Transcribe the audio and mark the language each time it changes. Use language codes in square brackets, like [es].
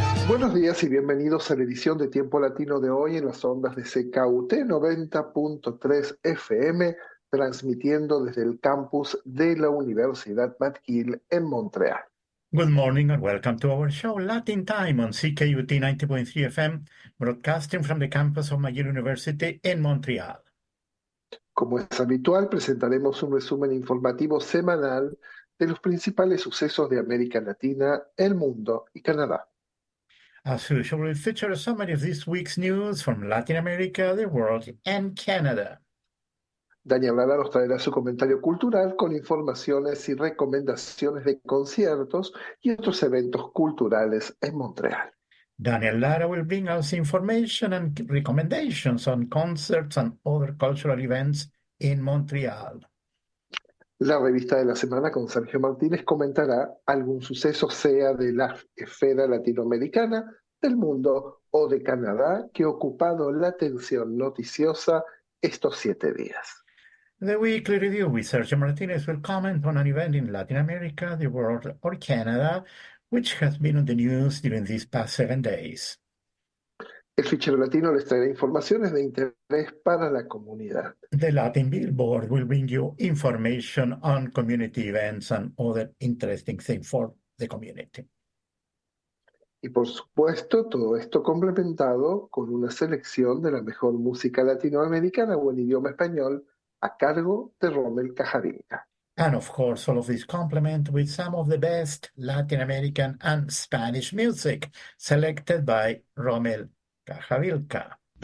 [es] Buenos días y bienvenidos a la edición de Tiempo Latino de hoy en las ondas de CKUT 90.3 FM, transmitiendo desde el campus de la Universidad McGill en Montreal. [en] Good morning and welcome to our show Latin Time on CKUT 90.3 FM, broadcasting from the campus of McGill University in Montreal. [es] Como es habitual, presentaremos un resumen informativo semanal de los principales sucesos de América Latina, el mundo y Canadá. [en] As usual, we'll feature a summary of this week's news from Latin America, the world, and Canada. [es] Daniel Lara nos traerá su comentario cultural con informaciones y recomendaciones de conciertos y otros eventos culturales en Montreal. [en] Daniel Lara will bring us information and recommendations on concerts and other cultural events in Montreal. [es] La revista de la semana con Sergio Martínez comentará algún suceso, sea de la esfera latinoamericana, del mundo o de Canadá, que ha ocupado la atención noticiosa estos 7 días. [en] The Weekly Review with Sergio Martinez will comment on an event in Latin America, the world, or Canada, which has been on the news during these past 7 days. [es] El fichero latino les traerá informaciones de interés para la comunidad. [en] The Latin Billboard will bring you information on community events and other interesting things for the community. [es] Y por supuesto, todo esto complementado con una selección de la mejor música latinoamericana o en idioma español a cargo de Rommel Cajarinca. [en] And of course, all of this complement with some of the best Latin American and Spanish music selected by Rommel Cajavilca.